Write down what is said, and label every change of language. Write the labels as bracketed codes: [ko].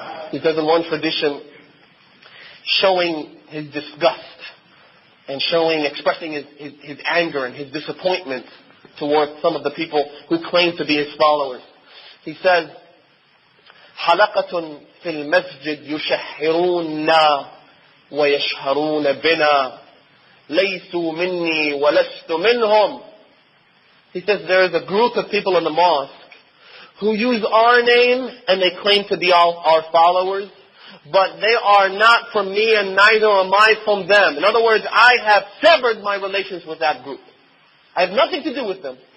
[en] He says in one tradition, showing his disgust and expressing his anger and his disappointment towards some of the people who claim to be his followers. He says, [ar] حَلَقَةٌ في المسجد يشهروننا ويشهرون بنا ليسوا مني ولست منهم. [en] He says there is a group of people in the mosque who use our name and they claim to be all our followers, but they are not from me and neither am I from them. In other words, I have severed my relations with that group. I have nothing to do with them.